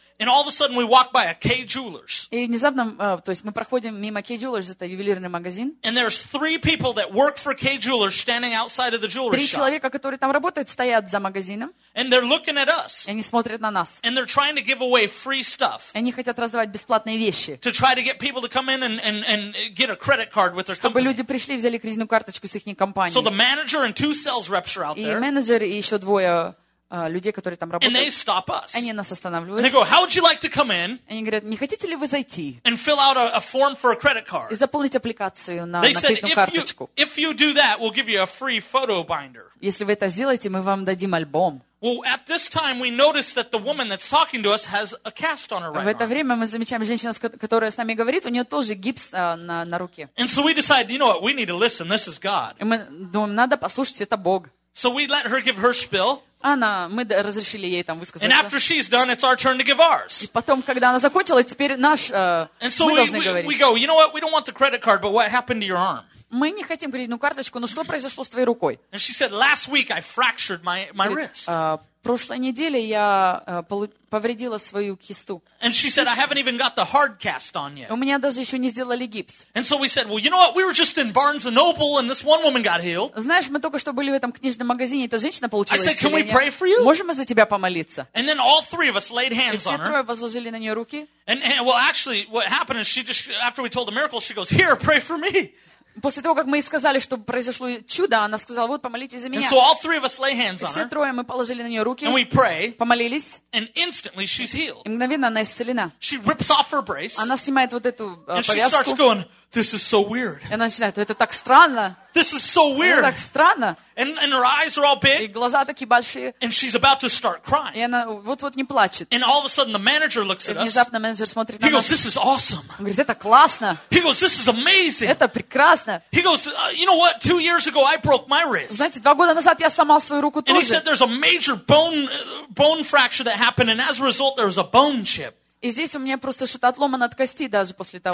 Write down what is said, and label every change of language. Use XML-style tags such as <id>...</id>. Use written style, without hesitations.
<en>And all of a sudden we walk by a K Jewelers.</en> <ru>И внезапно, то есть мы проходим мимо K Jewelers, это ювелирный магазин.</ru> <en>And there's three people that work for K Jewelers standing outside of the jewelry shop.</en> <ru>Три человека, которые там работают, стоят за магазином.</ru> <en>And they're looking at us.</en> <ru>И они смотрят на нас.</ru> <en>And they're trying to give away free stuff.</en> <ru>И они хотят раздавать бесплатные вещи.</ru> <en>To try to get people to come in and get a credit card with their company.</en> <ru>Чтобы люди пришли и взяли кредитную карточку с их компании.</ru> <en>So the manager and two sales reps are out there.</en> <ru>И менеджер и еще двое. Людей, которые там работают,</ru> <en>and they stop us.</en> <ru>Они нас останавливают.</ru> <en>They go, "How would you like to come in?"</en> <ru>Они говорят, не хотите ли вы зайти?</ru> <en>And fill out a form for a credit card.</en> <ru>И заполнить аппликацию на кредитную карточку.</ru> <en>They said, "If you do that, we'll give you a free photo binder."</en> <ru>Если вы это сделаете, мы вам дадим альбом.</ru> <en>Well, at this time, we notice that the woman that's talking to us has a cast on her right arm.</en> <ru>В это время мы замечаем женщина, которая с нами говорит, у нее тоже гипс на руке.</ru> <en>And so we decide, you know what? We need to listen. This is God.</en> <ru>И мы думаем, надо послушать, это Бог.</ru> <en>So we let her give her spiel.</en> <ru>Она, мы разрешили ей там высказаться.</ru> <en>And after she's done, it's our turn to give ours.</en> <ru>И потом, когда она закончила, теперь наш,</ru> <en>And so</en> <ru>мы должны говорить.</ru> <en>We go, "You know what? We don't want the credit card, but what happened to your arm?"</en> <ru>мы не хотим кредитную карточку, но что произошло с твоей рукой?</ru> <en>And she said, last week I fractured my wrist.</en> <ru>Прошлой неделе я повредила свою кисту.</ru> <en>And she said, I haven't even got the hard cast on yet.</en> <ru>У меня даже еще не сделали гипс.</ru> <en>And so we said, well, you know what? We were just in Barnes & Noble, and this one woman got healed.</en> <ru>Знаешь, мы только что были в этом книжном магазине, и эта женщина получила исцеление.</ru> <en>I said, can we pray for you?</en> <ru>Можем мы за тебя помолиться?</ru> <en>And then all three of us laid hands on her.</en> <ru>И все трое возложили на нее руки.</ru> <en>And well, actually, what happened is she just, after we told the miracle, she goes, here, pray for me.</en> <ru>После того, как мы ей сказали, что произошло чудо, она сказала, вот, помолитесь за меня.</ru> <en>And so all three of us lay hands on her.</en> <ru>Все трое мы положили на нее руки.</ru> <en>And we pray.</en> <ru>Помолились.</ru> <en>And instantly she's healed.</en> <ru>И мгновенно она исцелена.</ru> <en>She rips off her brace.</en> <ru>Она снимает вот эту повязку.</ru> <en>And she starts going, this is so weird.</en> <ru>И она начинает, это так странно.</ru> <en>This is so weird.</en> <ru>Это так странно.</ru> <en>And her eyes are all big.</en> <ru>И глаза такие большие.</ru> <en>And she's about to start crying.</en> <ru>И она вот-вот не плачет.</ru> <en>And all of a sudden the manager looks at us.</en> <ru>И внезапно менеджер смотрит на нас.</ru> <en>He goes, this is awesome.</en> <ru>Он говорит, это классно.</ru> <en>He goes, this is amazing.</en> <ru>Это прекрасно.</ru> <en>He goes, you know what? 2 years ago I broke my wrist.</en> <ru>Знаете, два года назад я сломал свою руку тоже.</ru> <en>And he said, there's a major bone fracture that happened, and as a result there's a bone chip.</en> <ru>И здесь у меня просто что-то отломано от кости даже после того.</ru>